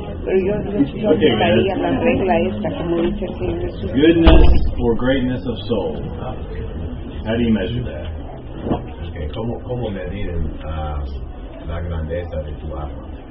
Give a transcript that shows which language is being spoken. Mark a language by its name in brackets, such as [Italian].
[Spanish] Pero yo traía la regla esta, como dice el Señor Jesús. [English] Goodness or greatness of soul. How do you measure that? Okay, [Spanish] ¿Cómo medir la grandeza de tu alma?